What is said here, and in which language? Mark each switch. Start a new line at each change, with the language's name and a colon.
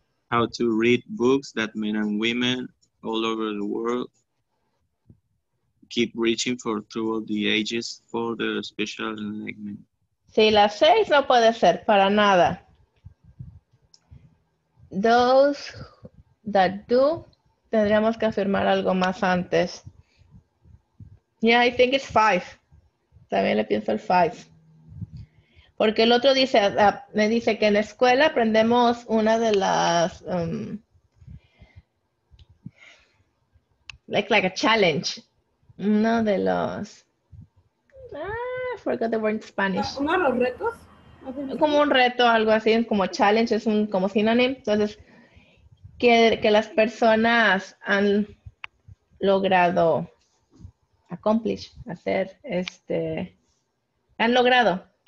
English: How to read books that men and women all over the world keep reaching for through all the ages for their special enlightenment.
Spanish: Sí, la 6 no puede ser, para nada.
English: Those that do,
Spanish: tendríamos que afirmar algo más antes.
English: Yeah, I think it's 5.
Spanish: También le pienso el 5. Porque el otro dice, me dice que en la escuela aprendemos una de las
English: like a challenge.
Spanish: Uno de los...
English: Ah, I forgot the word in Spanish.
Spanish: ¿Uno de los retos? Como un reto, algo así, como challenge, es un como sinónimo. Entonces, que las personas han logrado accomplish, hacer, han logrado.